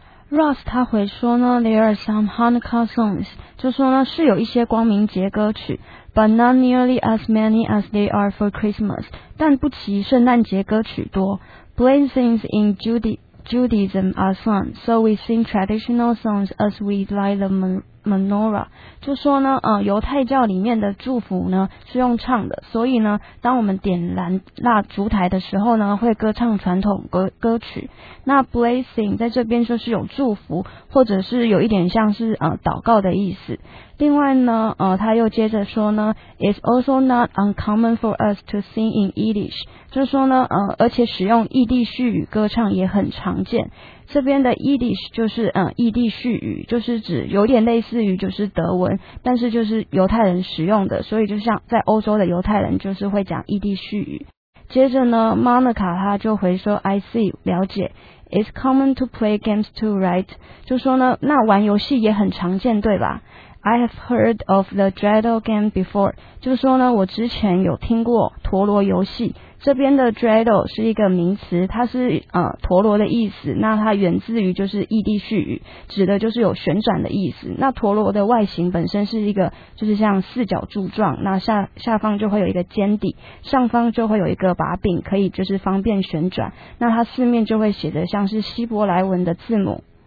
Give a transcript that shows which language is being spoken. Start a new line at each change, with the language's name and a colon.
Chinese: Ross 他回说呢 ,
English: there are some Hanukkah songs,
Chinese: 就说呢是有一些光明节歌曲 ,
English: but not nearly as many as they are for Christmas,
Chinese: 但不及圣诞节歌曲多。
English: Blessings in Judaism are sung, so we sing traditional songs as we light the menorah.
Chinese: 就说呢，犹太教里面的祝福呢是用唱的，所以呢，当我们点燃蜡烛台的时候呢，会歌唱传统歌曲。那 blessing 在这边就是有祝福，或者是有一点像是祷告的意思。另外呢，他又接着说呢 ，
English: It's also not uncommon for us to sing in Yiddish，
Chinese: 就是说呢，而且使用异地叙语歌唱也很常见。这边的 Yiddish 就是异地叙语，就是指有点类似于就是德文，但是就是犹太人使用的，所以就像在欧洲的犹太人就是会讲异地叙语。接着呢 ，Monica 他就回说 ，
English: I see，
Chinese: 了解。
English: It's common to play games too, right？
Chinese: 就说呢，那玩游戏也很常见，对吧？
English: I have heard of the dreidel game before.
Chinese: 就是说呢，我之前有听过陀螺游戏。这边的 dreidel 是一个名词，它是陀螺的意思。那它源自于就是异地叙语，指的就是有旋转的意思。那陀螺的外形本身是一个就是像四角柱状，那下方就会有一个尖底，上方就会有一个把柄，可以就是方便旋转。那它四面就会写的像是希伯来文的字母